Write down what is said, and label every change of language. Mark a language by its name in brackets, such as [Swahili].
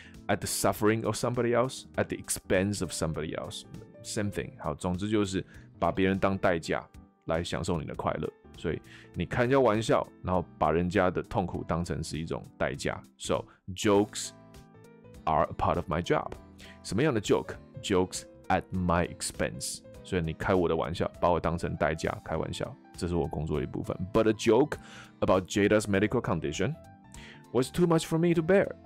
[English] At the suffering of somebody else, at the expense of somebody else, same thing. [Chinese] 好，总之就是把别人当代价来享受你的快乐。所以你开人家玩笑，然后把人家的痛苦当成是一种代价。 [English] So jokes are a part of my job. [Chinese] 什么样的 [English] joke? Jokes at my expense. [Chinese] 所以你开我的玩笑，把我当成代价开玩笑。这是我工作的一部分。 [English] But a joke about Jada's medical condition was too much for me to bear.